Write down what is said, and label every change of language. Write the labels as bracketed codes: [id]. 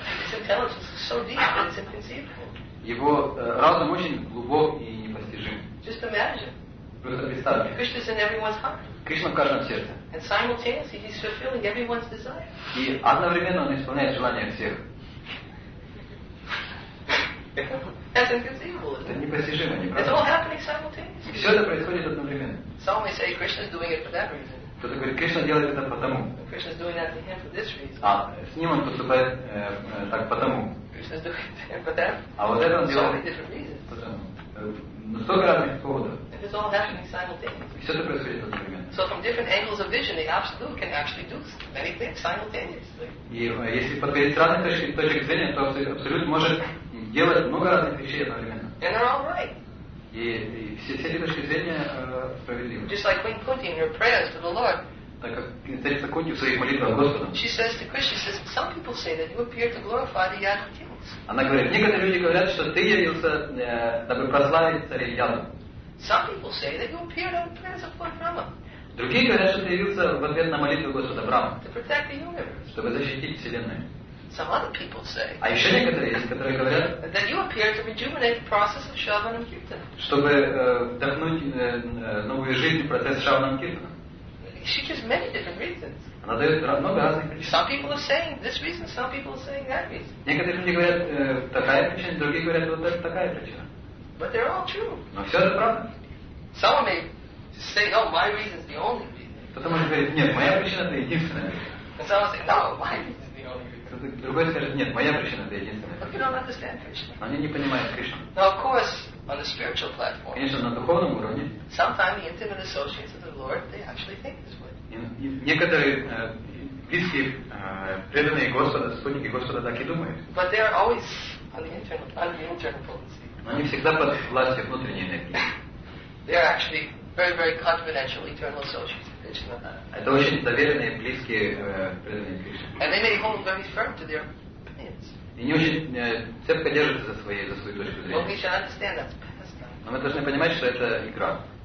[en] His intelligence is so deep that it's inconceivable. [ru] Его разум очень глубок и непостижим. [en] Just imagine. Krishna's in everyone's heart. [ru] Кришна в каждом сердце. [en] And simultaneously, he's fulfilling everyone's desire. [ru] И одновременно он исполняет желания всех. [en] That's inconceivable. [ru] Это непостижимо, не правда? [en] It's all happening simultaneously. [ru] Все это происходит одновременно. [en] Some may say Krishna's doing it for that reason. [ru] Кто-то говорит, Кришна делает это потому. [en] Krishna's doing that to him for this reason. [ru] А с ним он поступает так потому. [en] Krishna's doing it for that. [ru] А вот это он делает. [en] So many different reasons. [ru] Потому. Но столько разных поводов. [en] It is all happening simultaneously. [ru] Все это происходит одновременно. [en] So from different angles of vision, the absolute can actually do many things simultaneously. [ru] И если подберет разные точки зрения, то абсолют может делать много разных вещей одновременно. [en] And they're all right. [ru] И все эти точки зрения справедливы. [en] Just like Queen Kunti in her prayers to the Lord, [ru] так как интересно Кунти в своих молитвах Господу. [en] She says to Krishna, she says, some people say that you appear to glorify the Yadu kings. [ru] Она говорит, некоторые люди говорят, что ты явился, дабы прославить царя Яду. [en] Some people say that you appeared on the prayers of Lord Brahma. [ru] Другие говорят, что ты явился в ответ на молитву Господа Брама. [en] To protect the universe. [ru] Чтобы защитить вселенную. [en] Some other people say. [ru] А еще некоторые есть, которые говорят. [en] That you appear to rejuvenate the process of Shravana and Kirtana. [ru] Чтобы вдохнуть новую жизнь в процесс Shravana and Kirtana. [en] She gives many different reasons. [ru] Она дает много разных причин. [en] Some people are saying this reason, some people are saying that reason. [ru] Некоторые люди говорят такая причина, другие говорят вот такая причина. [en] But they're all true. [ru] Но все это правда. [en] Some may say, no, my reason is the only reason. [ru] Кто-то может говорить, нет, моя причина это единственная. [en] Some say, no, my reason. [ru] Другой скажет, нет, моя причина это единственная. [en] But you don't understand Krishna. [ru] Они не понимают Кришну. [en] Now, of course, on the spiritual platform, [ru] конечно, на духовном уровне. [en] Sometimes the intimate associates of the Lord, they actually think this way. [ru] Некоторые близкие преданные Господа, спутники Господа так и думают. [en] But they are always on the internal potency. [ru] Но они всегда под властью внутренней энергии. [en] They are actually very, very confidential eternal associates. [ru] Это очень доверенные, близкие преданные Кришне. И не очень цепко держатся за свою точку зрения. [en] Well, we should understand that's past time. [ru] Но мы должны понимать, что это игра.